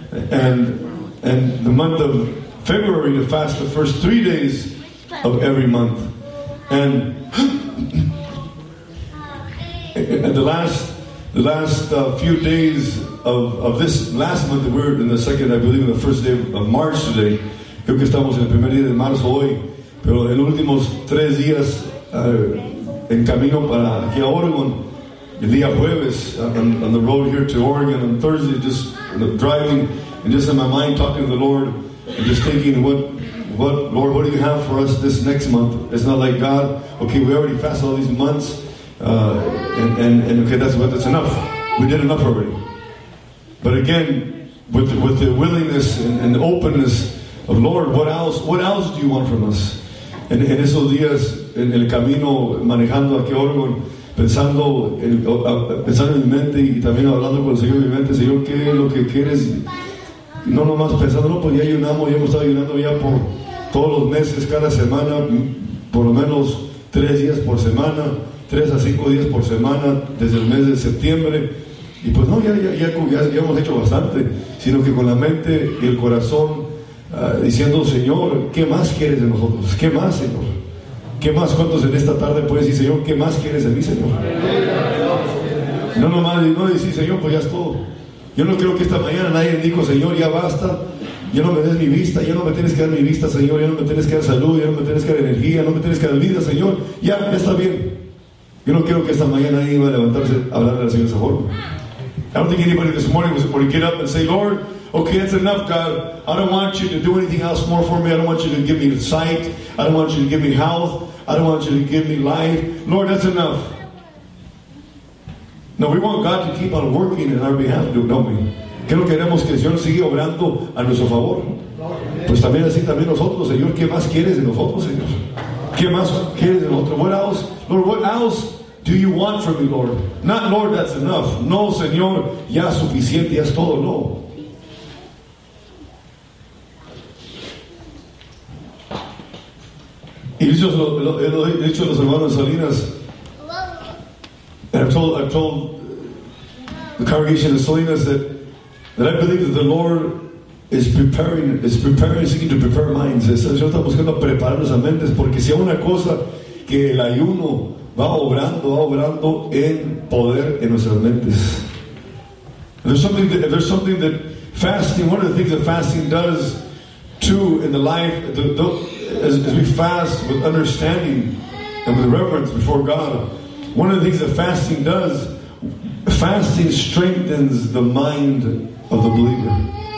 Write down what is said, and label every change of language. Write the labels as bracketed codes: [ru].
[en] And the month of February, to fast the first 3 days of every month. And at the last few days of this last month, we're in the second, I believe, in the first day of March today. [es] Creo que estamos en el primer día de marzo hoy. Pero en los últimos 3 días, en camino para aquí a Oregon, el día jueves, [en] on the road here to Oregon on Thursday, just driving, and just in my mind talking to the Lord, and just thinking, what Lord, what do you have for us this next month? It's not like God, okay, we already fasted all these months, and okay, that's enough. We did enough already. But again, with the willingness and the openness of Lord, what else do you want from us? [es] En esos días, en el camino, manejando aquí a Oregon, pensando en mi mente y también hablando con el Señor en mi mente, Señor, ¿qué es lo que quieres? No nomás pensando, no, pues ya ayunamos, ya hemos estado ayunando ya por todos los meses, cada semana, por lo menos 3 días por semana, 3 a 5 días por semana, desde el mes de septiembre, y pues no, ya hemos hecho bastante, sino que con la mente y el corazón, diciendo, Señor, ¿qué más quieres de nosotros? ¿Qué más, Señor? ¿Qué más? ¿Cuántos en esta tarde puedes decir, Señor, qué más quieres de mí, Señor? No decir, Señor, pues ya es todo. Yo no creo que esta mañana nadie dijo, Señor, ya basta, ya no me des mi vista, ya no me tienes que dar mi vista, Señor, ya no me tienes que dar salud, ya no me tienes que dar energía, ya no me tienes que dar vida, Señor, ya está bien. Yo no creo que esta mañana nadie iba a levantarse a hablarle al Señor de esa forma. [en] I don't think anybody this morning was able to get up and say, Lord, okay, that's enough, God. I don't want you to do anything else more for me. I don't want you to give me sight. I don't want you to give me health. I don't want you to give me life. Lord, that's enough. No, we want God to keep on working in our behalf, don't we? [es] ¿Qué es lo que queremos? Que el Señor siga obrando a nuestro favor. Pues también así también nosotros, Señor. ¿Qué más quieres de nosotros, Señor? ¿Qué más quieres de nosotros? [en] What else? Lord, what else do you want from me, Lord? Not, Lord, that's enough. [es] No, Señor, ya es suficiente, ya es todo, no. Y dicho los hermanos Salinas, [en] and I've told the congregation of Salinas that I believe that the Lord is seeking to prepare minds. [es] Señor está buscando preparar las mentes, porque si hay una cosa que el ayuno va obrando en poder en nuestras mentes. [en] There's something that fasting, one of the things that fasting does too in the life, as we fast with understanding and with reverence before God, one of the things that fasting does, fasting strengthens the mind of the believer.